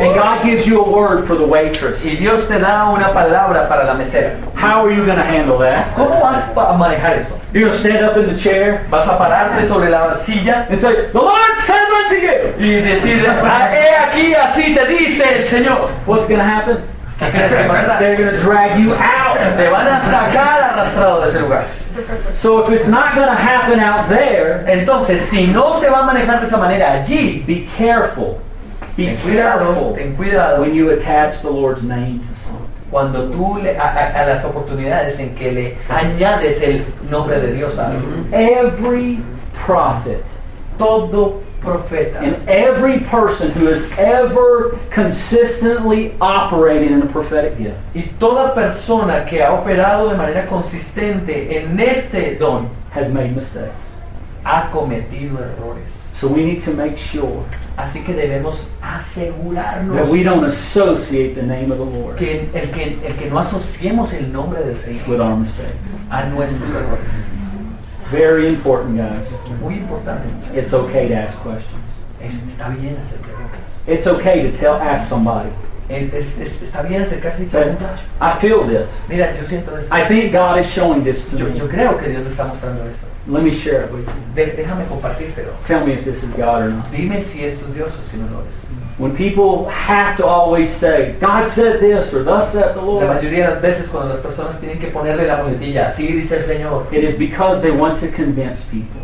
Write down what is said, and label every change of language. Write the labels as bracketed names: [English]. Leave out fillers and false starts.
[English] And God gives you a word for the waitress. [Spanish] Y Dios te da una palabra para la mesera. [English] How are you going to handle that? [Spanish] ¿Cómo vas a manejar eso? [English] You're going to stand up in the chair. [Spanish] Vas a pararte sobre la silla. [English] And say, the Lord said that to you. [Spanish] Y decirle, he aquí, así te dice el Señor. [English] What's going to happen? They're going to drag you out. [Spanish] Te van a sacar arrastrado de ese lugar. [English] So if it's not going to happen out there, [Spanish] entonces si no se va a manejar de esa manera allí, [English] be careful. Be [Spanish] ten cuidado, [English] careful. [Spanish] Ten cuidado. [English] When you attach the Lord's name to something, [Spanish] cuando tú le a las oportunidades en que le añades el nombre de Dios a algo. [English] Every prophet, [Spanish] todo profeta, [English] and every person who has ever consistently operated in a prophetic gift, [Spanish] y toda persona que ha operado de manera consistente en este don, [English] has made mistakes, [Spanish] ha cometido errores. [English] So we need to make sure, [Spanish] así que debemos asegurarnos, [English] that we don't associate the name of the Lord, [Spanish] que el que no asociemos el nombre del Señor, [English] with our mistakes, [Spanish] a nuestros errores. [English] Very important, guys. [Spanish] Muy importante. [English] It's okay to ask questions. [Spanish] Está bien hacer preguntas. [English] It's okay to tell, ask somebody. [Spanish] Está bien acercarse y preguntar. [English] I feel this. [Spanish] Mira, yo siento esto. [English] I think God is showing this to me. [Spanish] Yo creo que Dios me está mostrando esto. [English] Let me share it with you. [Spanish] Déjame compartírtelo. [English] Tell me if this is God or not. [Spanish] Dime si esto es Dios o si no lo es. [English] When people have to always say, God said this, or thus said the Lord. [Spanish] La mayoría de las veces cuando las personas tienen que ponerle la muletilla, así dice el Señor. [English] It is because they want to convince people.